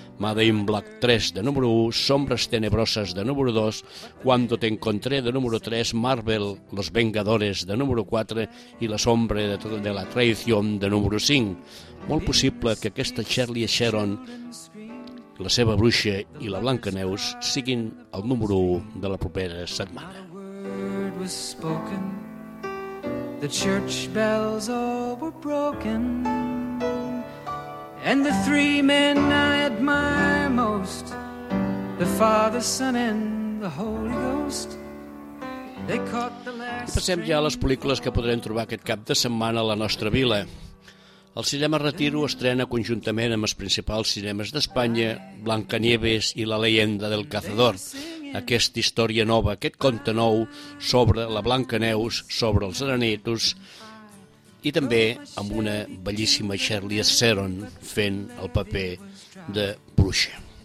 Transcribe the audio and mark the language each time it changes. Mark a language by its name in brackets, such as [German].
[Catalan] Made in Black 3, de número 1, Sombres tenebroses, de número 2, Cuando te encontré, de número 3, Marvel, Los Vengadores, de número 4, i La sombra de la traïció, de número 5. Molt possible que aquesta Charlize Theron, la seva bruixa i la Blancaneus siguin el número 1 de la propera setmana. [English] Was spoken, the church bells all were broken, and the three men I admire most, the Father, Son, and the Holy Ghost, they caught the last train. [Catalan] Passem ja a les pel·lícules que podrem trobar aquest cap de setmana a la nostra vila. El cinema Retiro estrena conjuntament amb els principals cinemes d'Espanya Blancanieves i la leyenda del cazador. Aquesta història nova, aquest conte nou sobre la Blancaneus, sobre els enanitos i també amb una bellíssima Charlize Theron fent el paper de bruixa.